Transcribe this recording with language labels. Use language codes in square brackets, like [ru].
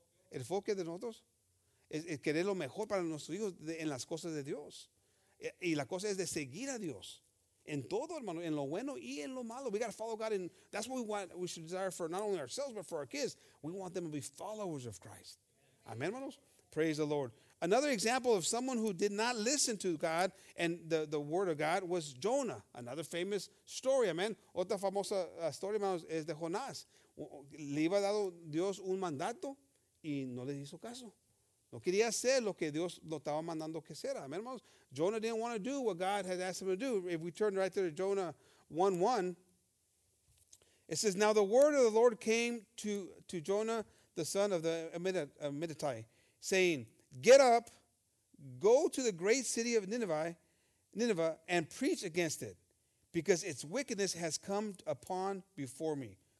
[es] El foco de nosotros es querer lo mejor para nuestros hijos en las cosas de Dios. Y la cosa es de seguir a Dios en todo, hermano, en lo bueno y en lo malo. [en] We got to follow God, and that's what we should desire for not only ourselves, but for our kids. We want them to be followers of Christ. Amen, hermanos. Praise the Lord. Another example of someone who did not listen to God and the word of God was Jonah. Another famous story, amen. [es] Otra famosa historia, hermanos, es de Jonás. Le iba a dar Dios un mandato y no le hizo caso. No quería hacer lo que Dios lo estaba mandando que hiciera. [en] Amen, hermanos. Jonah didn't want to do what God had asked him to do. If we turn right there to Jonah 1:1, it says, now the word of the Lord came to Jonah, the son of the Amittai, saying, get up, go to the great city of Nineveh, and preach against it, because its wickedness has come up before me.